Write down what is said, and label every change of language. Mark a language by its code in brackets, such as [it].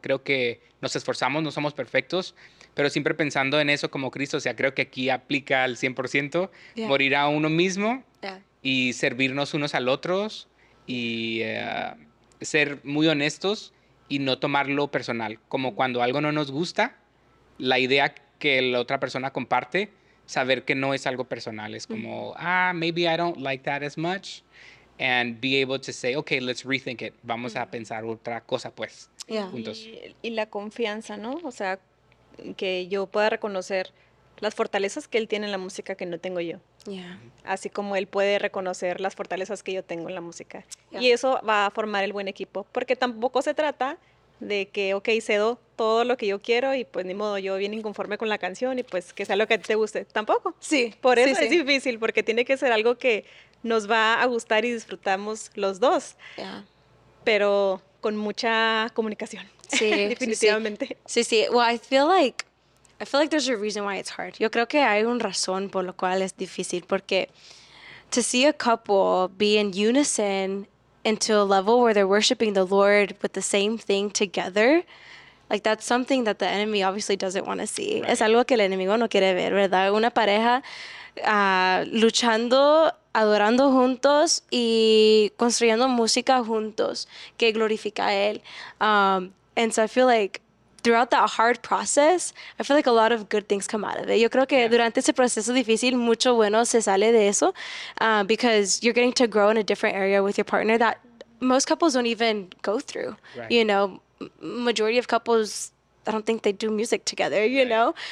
[es] Creo que nos esforzamos, no somos perfectos, pero siempre pensando en eso como Cristo. O sea, creo que aquí aplica al 100%, morir a uno mismo y servirnos unos al otros y ser muy honestos y no tomarlo personal. Como cuando algo no nos gusta, la idea que la otra persona comparte, saber que no es algo personal. Es como, [en] maybe I don't like that as much. And be able to say, okay, let's rethink it. [es] Vamos a pensar otra cosa, pues, juntos. Y la confianza, ¿no? O sea, que yo pueda reconocer las fortalezas que él tiene en la música que no tengo yo. Así como él puede reconocer las fortalezas que yo tengo en la música. Y eso va a formar el buen equipo. Porque tampoco se trata de que, okay, cedo todo lo que yo quiero y pues ni modo, yo bien inconforme con la canción y pues que sea lo que te guste. Tampoco. Sí. Por eso sí, es difícil, porque tiene que ser algo que nos va a gustar y disfrutamos los dos, pero con mucha comunicación, definitivamente. Sí. [en] Well, I feel like there's a reason why it's hard. [es] Yo creo que hay una razón por la cual es difícil, [en] porque to see a couple be in unison into a level where they're worshiping the Lord with the same thing together, like that's something that the enemy obviously doesn't want to see. Right. [es] Es algo que el enemigo no quiere ver, ¿verdad? Una pareja luchando, adorando juntos y construyendo música juntos que glorifica a él. [en] And so I feel like throughout that hard process, I feel like a lot of good things come out of it. [es] Yo creo que durante ese proceso difícil, mucho bueno se sale de eso, [en] because you're getting to grow in a different area with your partner that most couples don't even go through. Right. You know, majority of couples, I don't think they do music together, you know?